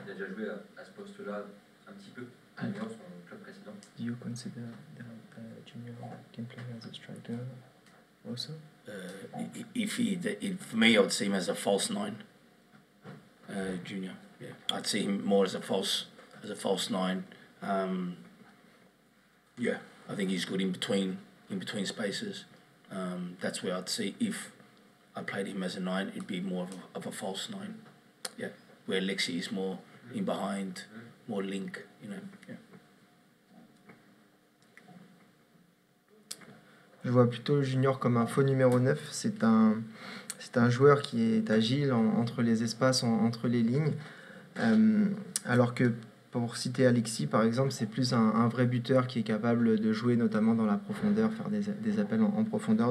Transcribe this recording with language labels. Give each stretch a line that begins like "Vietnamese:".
French: Il a déjà joué à ce poste-là un petit peu à New York, son club précédent.
English: Do you consider that Junior can play as a striker also? If for me, I would see him as a false nine. Junior. Yeah, I'd see him more as a false nine. I think he's good in between spaces. That's where I'd see if I played him as a nine, it'd be more of a false nine. Yeah, where Lexi is more in behind, more link. You know. Yeah.
French: Je vois plutôt Junior comme un faux numéro 9. C'est un joueur qui est agile entre les espaces, entre les lignes. Alors que pour citer Alexis, par exemple, c'est plus un vrai buteur qui est capable de jouer notamment dans la profondeur, faire des appels en profondeur.